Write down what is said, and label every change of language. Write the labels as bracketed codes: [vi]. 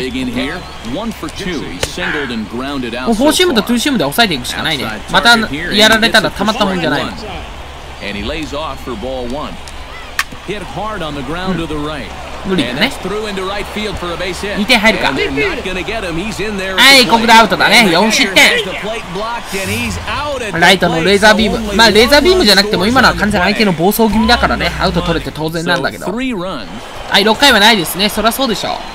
[ja] もうフォーシームとツーシームで抑えていくしかないね。またやられたらたまったもんじゃないの。 [en] And he lays off for ball one. Hit hard on the ground to the right. [ja] 無理だね。 2 点入るか。はい、ここでアウトだね。4失点。ライトのレーザービーム。まあ、レーザービームじゃなくても今のは完全相手の暴走気味だからね。アウト取れて当然なんだけど。はい、6回はないですね。そりゃそうでしょう。